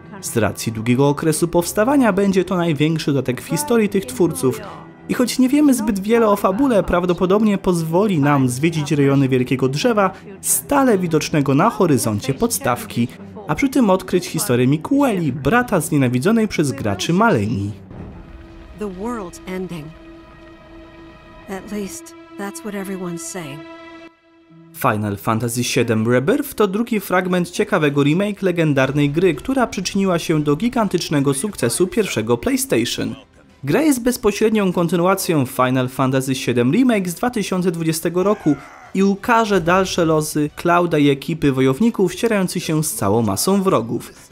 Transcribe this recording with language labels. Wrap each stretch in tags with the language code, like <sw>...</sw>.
<pl>Z racji długiego okresu powstawania będzie to największy dodatek w historii tych twórców, i choć nie wiemy zbyt wiele o fabule, prawdopodobnie pozwoli nam zwiedzić rejony Wielkiego Drzewa, stale widocznego na horyzoncie podstawki, a przy tym odkryć historię Mikueli, brata znienawidzonej przez graczy Malenii.</pl> <en>The world's ending. At least that's what everyone's saying.</en> <pl>Final Fantasy VII Rebirth to drugi fragment ciekawego remake legendarnej gry, która przyczyniła się do gigantycznego sukcesu pierwszego PlayStation. Gra jest bezpośrednią kontynuacją Final Fantasy VII Remake z 2020 roku i ukaże dalsze losy Clouda i ekipy wojowników ścierających się z całą masą wrogów.</pl>